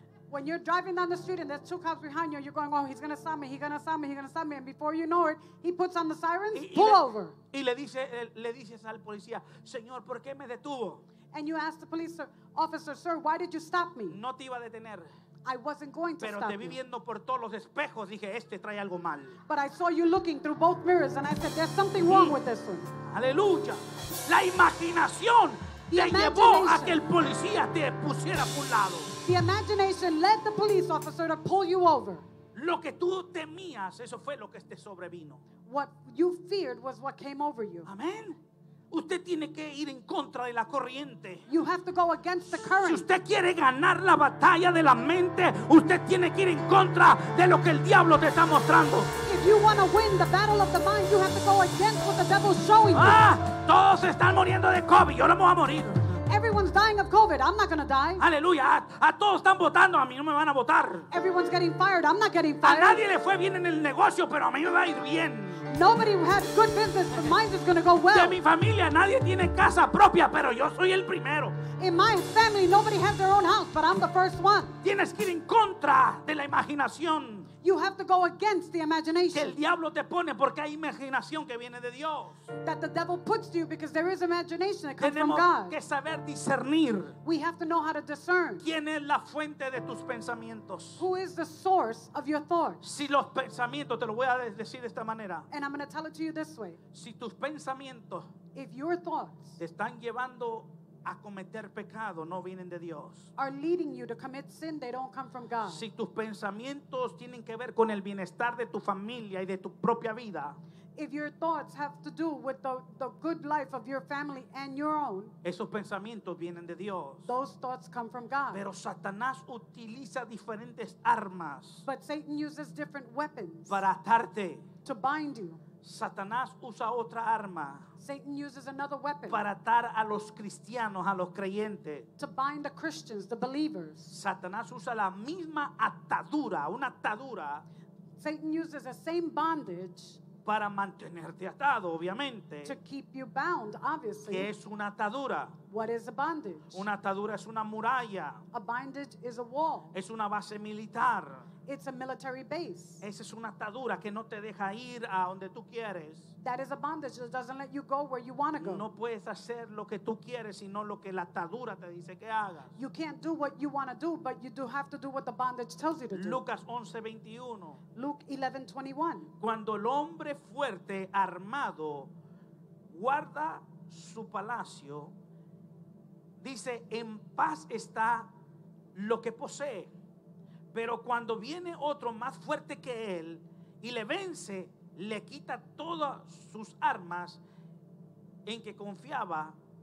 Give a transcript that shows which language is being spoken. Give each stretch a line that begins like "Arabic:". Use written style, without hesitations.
English: When you're driving down the street and there's two cops behind you, you're going, oh, he's going to stop me, he's going to stop me, he's going to stop me. And before you know it, he puts on the sirens, pull over.
Spanish: Y le dices al policía, señor, ¿por qué me detuvo?
English: And you ask the police officer, sir, why did you stop me?
Spanish: No te iba a detener.
English: I wasn't going to
Spanish: pero
English: stop
Spanish: te vi viendo por todos los espejos, dije, este trae algo mal.
English: But I saw you looking through both mirrors and I said, there's something wrong with this one.
Spanish: Aleluya. La imaginación te llevó a que el policía te pusiera a un lado.
English: The imagination led the police officer to pull you over.
Spanish: Lo que tú temías, eso fue lo que te sobrevino.
English: What you feared was what came over you.
Spanish: Amén. Usted tiene que ir en contra de la corriente.
English: You have to go against the current.
Spanish: Si usted quiere ganar la batalla de la mente, usted tiene que ir en contra de lo que el diablo te está mostrando.
English: If you want to win the battle of the mind, you have to go against what the devil's showing you.
Spanish: Ah, todos están muriendo de COVID. Yo no me voy a morir.
English: Everyone's dying of COVID. I'm not going to die.
Spanish: Aleluya. A todos están votando. A mí no me van a votar.
English: Everyone's getting fired. I'm not getting fired.
Spanish: A nadie le fue bien en el negocio, pero a mí me va a ir bien.
English: Nobody has good business, but mine is going to go well.
Spanish: De mi familia, nadie tiene casa propia, pero yo soy el primero.
English: In my family, nobody has their own house, but I'm the first one.
Spanish: Tienes que ir en contra de la imaginación.
English: You have to go against the imagination.
Spanish: Que el diablo te pone porque hay imaginación que viene de Dios.
English: That the devil puts to you because there is imagination that comes from God.
Spanish: Tenemos que saber discernir.
English: We have to know how to discern.
Spanish: ¿Quién es la fuente de tus pensamientos?
English: Who is the source of your thoughts?
Spanish: Si los pensamientos, te lo voy a decir de esta manera.
English: And I'm going to tell it to you this way.
Spanish: Si tus pensamientos,
English: if your thoughts,
Spanish: te están llevando a cometer pecado, no vienen de Dios.
English: Are leading you to commit sin, they don't come from God.
Spanish: Si tus pensamientos tienen que ver con el bienestar de tu familia y de tu propia vida,
English: if your thoughts have to do with the good life of your family and your own,
Spanish: esos pensamientos vienen de Dios.
English: Those thoughts come from God.
Spanish: Pero Satanás utiliza diferentes armas,
English: but Satan uses different weapons,
Spanish: para atarte,
English: to bind you.
Spanish: Satanás usa otra arma,
English: Satan uses another weapon,
Spanish: para atar a los cristianos, a los creyentes,
English: to bind the Christians, the believers.
Spanish: Satanás usa la misma atadura, una atadura,
English: Satan uses the same bondage,
Spanish: para mantenerte atado, obviamente,
English: to keep you bound, obviously.
Spanish: ¿Qué es una atadura?
English: What is a bondage?
Spanish: Una atadura es una muralla.
English: A bondage is a wall.
Spanish: Es una base militar.
English: It's a military base.
Spanish: Esa es una atadura que no te deja ir a donde tú quieres.
English: That is a bondage that doesn't let you go where you want to go.
Spanish: No puedes hacer lo que tú quieres, sino lo que la atadura te dice que hagas.
English: You can't do what you want to do, but you do have to do what the bondage tells you to do.
Spanish: Lucas 11:21.
English: Luke 11:21.
Spanish: Cuando el hombre fuerte armado guarda su palacio, dice, en paz está lo que posee. Pero cuando viene otro más fuerte que él y le vence, le quita todas sus armas en que confiaba.